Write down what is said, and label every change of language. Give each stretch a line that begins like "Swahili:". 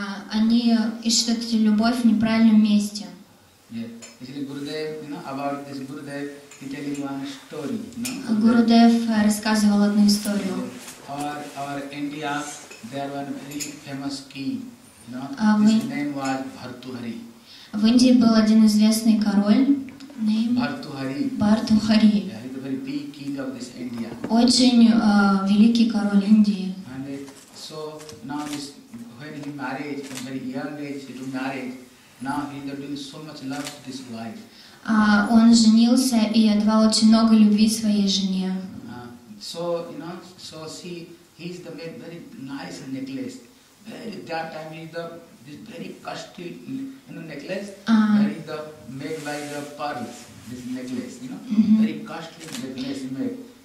Russian: Они ищут любовь в неправильном месте. Гурудев рассказывал одну историю.
English: Our India, there was a very famous king. You know? His name was Bhartuhari.
Russian: В Индии был один известный король.
English: Name? Bhartuhari. Yeah, he was a very big king of this India.
Russian: Очень великий король Индии.
English: And so now, when he married, very young age, he married, Now he introduced so much love to this wife.
Russian: Он женился и отдавал очень много любви своей жене.
English: So, you know, so she, he's the made very nice necklace. Very that time he's the this very costly, you know, necklace. Very the made by the pearls, this necklace, you know, very costly necklace he made.